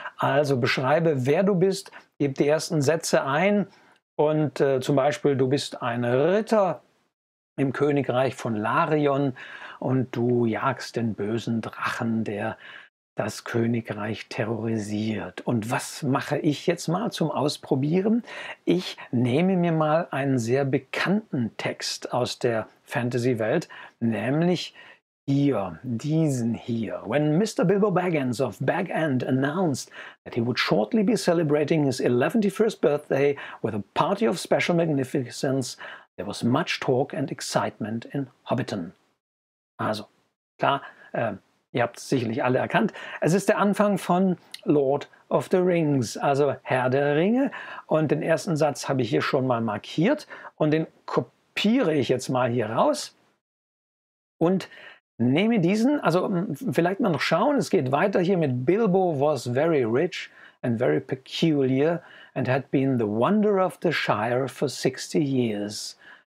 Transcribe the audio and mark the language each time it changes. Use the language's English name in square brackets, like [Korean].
[German] Also, beschreibe, wer du bist, gib die ersten Sätze ein und zum Beispiel, du bist ein Ritter im Königreich von Larion und du jagst den bösen Drachen, der das Königreich terrorisiert. Und was mache ich jetzt mal zum Ausprobieren? Ich nehme mir mal einen sehr bekannten Text aus der Fantasy-Welt, nämlich hier, diesen hier. [English] When Mr. Bilbo Baggins of Bag End announced that he would shortly be celebrating his 11th birthday with a party of special magnificence, there was much talk and excitement in Hobbiton. [German] Also, klar, ihr habt es sicherlich alle erkannt. Es ist der Anfang von Lord of the Rings, also Herr der Ringe. Und den ersten Satz habe ich hier schon mal markiert und den kopiere ich jetzt mal hier raus und nehme diesen, also vielleicht mal noch schauen, es geht weiter hier mit [English] Bilbo was very rich and very peculiar and had been the wonder of the Shire for 60 years.